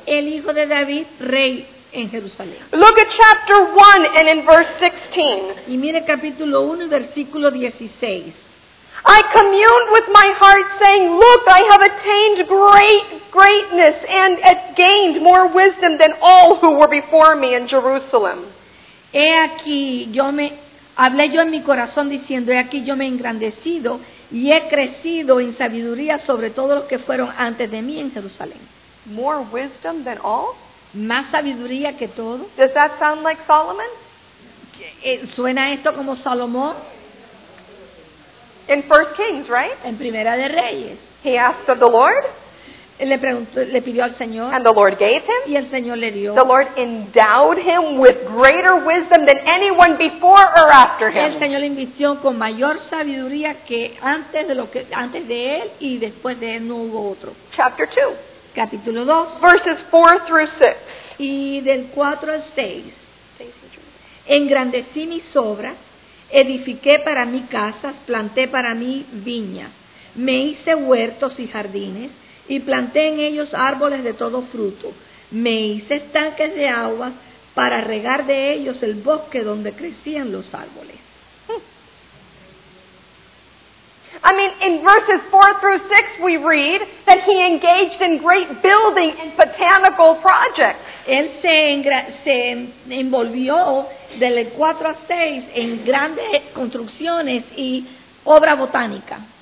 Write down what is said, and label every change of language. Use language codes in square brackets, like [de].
[es] El hijo de David, rey en Jerusalén. [en] Look at chapter 1 and in verse 16. [es] Y mire capítulo 1 y versículo 16. [en] I communed with my heart saying, look, I have attained great greatness and gained more wisdom than all who were before me in Jerusalem. [es] He aquí, hablé yo en mi corazón diciendo, he aquí yo me he engrandecido y he crecido en sabiduría sobre todos los que fueron antes de mí en Jerusalén. [en] More wisdom than all? [es] Más sabiduría que todos. [en] Does that sound like Solomon? [es] ¿Suena esto como Salomón? [en] In 1 Kings, right? [es] En Primera de Reyes. [en] He asked of the Lord. [es] Le pidió al Señor. [en] And the Lord gave him. [es] Y el Señor le dio. [en] The Lord endowed him with greater wisdom than anyone before or after him. [es] El Señor le invirtió con mayor sabiduría que antes de él y después de él no hubo otro. [en] Chapter 2. [es] Capítulo 2. [en] Verses 4 through 6. [es] Y del 4 al 6. Engrandecí mis obras. Edifiqué para mí casas, planté para mí viñas, me hice huertos y jardines, y planté en ellos árboles de todo fruto, me hice estanques de aguas para regar de ellos el bosque donde crecían los árboles. [en] I mean, in verses 4 through 6 we read that he engaged in great building and botanical projects. [es] Él se envolvió del 4 a 6 en grandes construcciones y obra botánica.